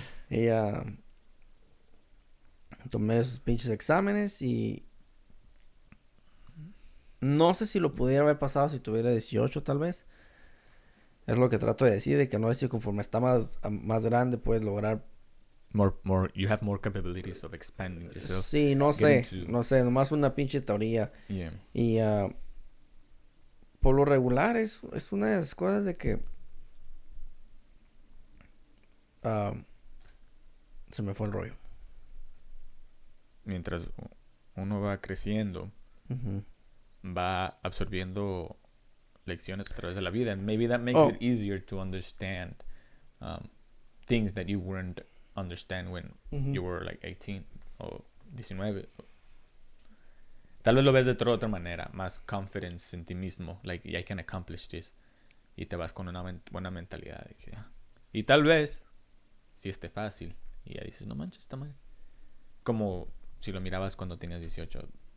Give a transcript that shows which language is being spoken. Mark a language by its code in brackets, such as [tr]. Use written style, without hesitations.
[es] Y tomé esos pinches exámenes y no sé si lo pudiera haber pasado si tuviera 18 tal vez. Es lo que trato de decir, de que no sé si conforme está más grande puedes lograr. [en] More, you have more capabilities of expanding yourself. [es] Sí, no sé, nomás una pinche teoría. [en] Yeah. [es] Y por lo regular es una de las cosas de que se me fue el rollo. Mientras uno va creciendo, va absorbiendo lecciones a través de la vida. [en] And maybe that makes it easier to understand things that you weren't understand when you were like 18 [es] o 19. Tal vez lo ves de otra manera, más confidence en ti mismo, [en] like I can accomplish this, [es] y te vas con una buena mentalidad de que, y tal vez si esté fácil y ya dices no manches, está mal, como si lo mirabas cuando tenías 18.